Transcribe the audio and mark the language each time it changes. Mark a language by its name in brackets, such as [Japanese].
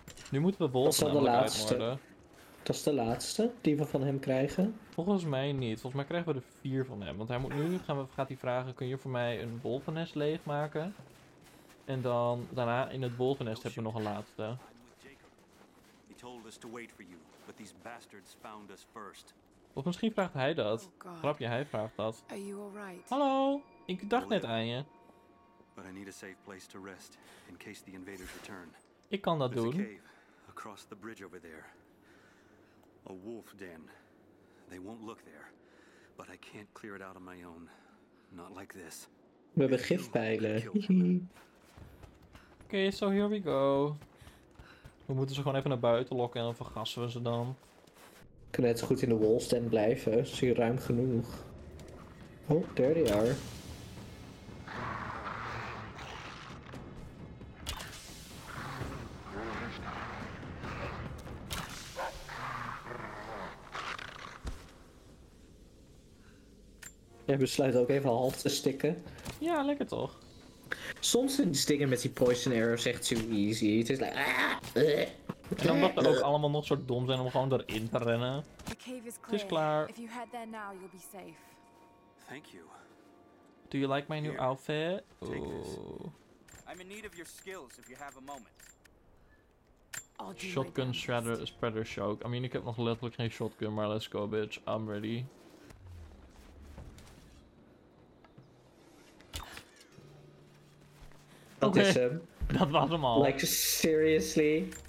[Dutch] Nu moeten we volgens mij uitmoorden. Dat is de laatste die we van hem krijgen. Volgens mij niet. Volgens mij krijgen we er 4 van hem. Want hij moet nu gaat hij vragen, kun je voor mij een wolvennest leegmaken? En dan daarna in het wolvennest hebben we nog een laatste. [English] He told us to wait for you, but these bastards found us first. [Dutch] Of misschien vraagt hij dat. Oh, grapje, hij vraagt dat. [English] Are you all right? [Dutch] Hallo, ik dacht net aan je. [English] But I need a safe place to rest in case the invaders return. [Dutch] Ik kan dat [English] There's [Dutch] doen. [English] A cave across the bridge over there. A wolf den. They won't look there. But I can't clear it out on my own. Not like this. [Dutch] We hebben gifpijlen. [English] Okay, so here we go. [Dutch] We moeten ze gewoon even naar buiten lokken en dan vergassen we ze dan. We kunnen net zo goed in de wolf den blijven. Is hier ruim genoeg. [English] Oh, there they are. [Dutch] Jij besluit ook even half te stikken. Ja, lekker toch. Soms zijn die stikken met die poison arrows echt [English] too easy. [Dutch] Het is like... En dan mag er ook allemaal nog zo dom zijn om gewoon erin te rennen. Het is klaar. [English] If you head there now, you'll be safe. Thank you. Do you like my new outfit? Ooh. I'm in need of your skills if you have a moment. Shotgun shredder, spreader choke. I mean, [Dutch] ik heb nog letterlijk geen shotgun, maar [English] let's go, bitch. I'm ready. [Dutch] Dat is hem. Dat was hem al. [English] Like, seriously?